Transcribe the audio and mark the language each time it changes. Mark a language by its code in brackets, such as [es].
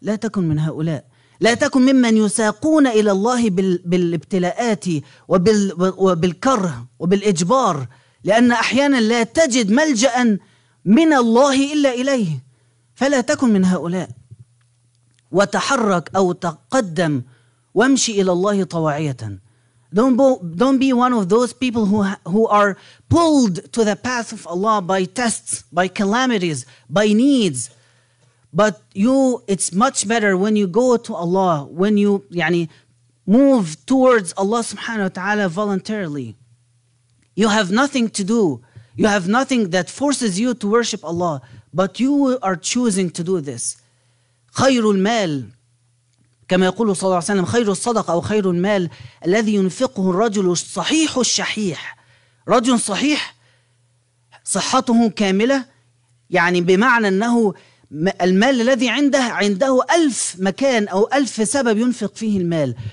[ar] لا تكن من هؤلاء، لا تكن ممن يساقون إلى الله بالابتلاءات وبالكره وبالإجبار، لأن أحيانا لا تجد ملجأ من الله إلا إليه. فلا تكن من هؤلاء، وتحرك أو تقدم وامشي إلى الله طواعية. [en] Don't be one of those people who are pulled to the path of Allah by tests, by calamities, by needs. But you, it's much better when you go to Allah, when you يعني move towards Allah subhanahu wa ta'ala voluntarily. You have nothing to do. You have nothing that forces you to worship Allah, but you are choosing to do this. [ar] خير المال كما يقول صلى الله عليه وسلم، خير الصدقة أو خير المال الذي ينفقه الرجل الصحيح الشحيح. رجل صحيح صحته كاملة، يعني بمعنى أنه المال الذي عنده، عنده ألف مكان أو ألف سبب ينفق فيه المال.